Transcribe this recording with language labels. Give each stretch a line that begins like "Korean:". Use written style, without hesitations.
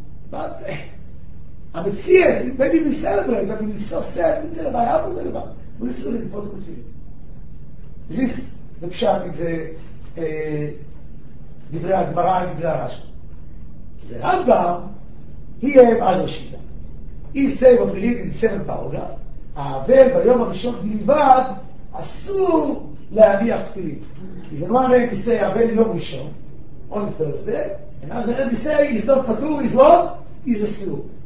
English: But Amitzias, maybe we celebrate, but he's so sad. It's a Levi after the Levi. This is important to him. This is the Pshat, it's a Divrei Agmara and Divrei Rashi. The Rambam, he have other Shita. He say what we read in the seventh paragraph.
Hebrew: Avel, ביום הראשון בלבד, אסור להניח תפילין.
English: He's in one way to say,
Hebrew: Avel Yom Rishon,
English: on Thursday, and as I heard he say, he's not patur, he's what? He's a sur.